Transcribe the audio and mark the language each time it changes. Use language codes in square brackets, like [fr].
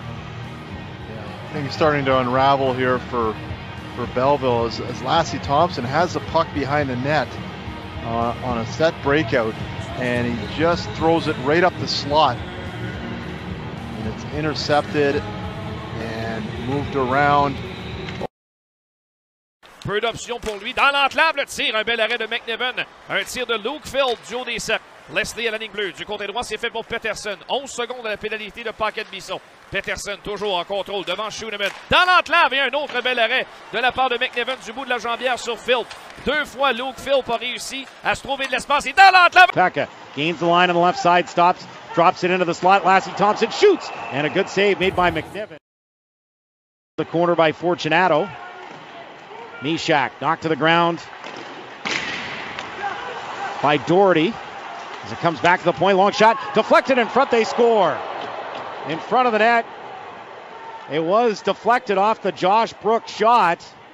[en] Yeah, I think he's starting to unravel here for Belleville as Lassie Thompson has the puck behind the net. On a set breakout, and he just throws it right up the slot, and it's intercepted and moved around. [fr] Peu d'options pour lui dans l'enclave. Le tir, un bel arrêt de McNiven, un tir de Luke Phil du haut des cercles. Leslie à la ligne bleue du côté droit, c'est fait pour Peterson. 11 secondes à la pénalité de Paquette Bisson. Peterson toujours en contrôle devant Schooneman. Dans l'enclave et un autre bel arrêt de la part de McNiven du bout de la jambière sur Phil. Deux fois, Luke Phil a réussi à se trouver de l'espace et dans l'enclave. [en] Paquette gains the line on the left side, stops, drops it into the slot. Lassie Thompson shoots, and a good save made by McNiven. The corner by Fortunato. Mishak knocked to the ground by Doherty. As it comes back to the point, long shot, deflected in front, they score. In front of the net, it was deflected off the Josh Brooks shot.